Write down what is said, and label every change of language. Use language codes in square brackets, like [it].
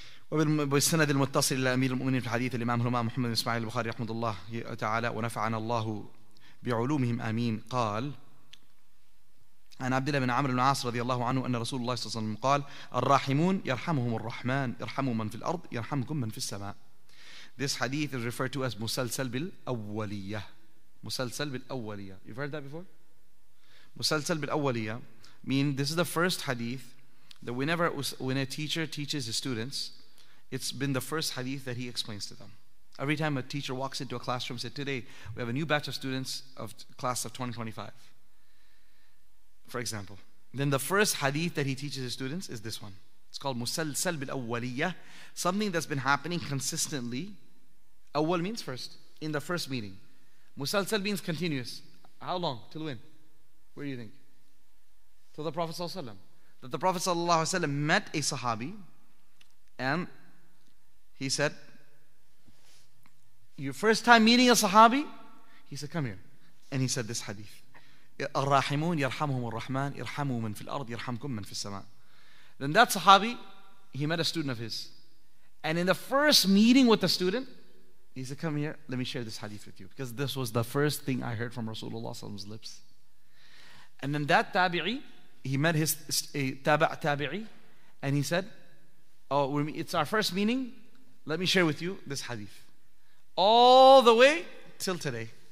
[ar] وبالسند المتصل إلى أمير المؤمنين في الحديث الإمام هما محمد بن إسماعيل البخاري رحمه الله تعالى ونفعنا الله بعلومهم آمين قال عن عبد الله بن عمرو بن العاص رضي الله عنه أن رسول الله صلى الله عليه وسلم قال الراحمون يرحمهم الرحمن يرحموا من في الأرض يرحمكم من في السماء. [en] This hadith is referred to as مسلسل بالأولية. [ar] مسلسل بالأولية. [en] You've heard that before? مسلسل بالأولية mean this is the first hadith that when a teacher teaches his students, it's been the first hadith that he explains to them. Every time a teacher walks into a classroom, said today we have a new batch of students of class of 2025. For example, then the first hadith that he teaches his students is this one. It's called مسلسل بالأولية, something that's been happening consistently. أول means first, in the first meeting. مسلسل means continuous. How long? Till when? Where do you think? Till the Prophet ﷺ. That the Prophet ﷺ met a Sahabi and he said, your first time meeting a Sahabi? He said, come here. And he said this hadith. [ar] الراحمون يرحمهم الرحمن يرحموا من في الأرض يرحمكم من في السماء. [en] Then that Sahabi, he met a student of his, and in the first meeting with the student, he said, come here, let me share this hadith with you, because this was the first thing I heard from Rasulullah's lips. And then that tabi'i, he met his tabi'i, and he said, oh, it's our first meeting, let me share with you this hadith, all the way till today.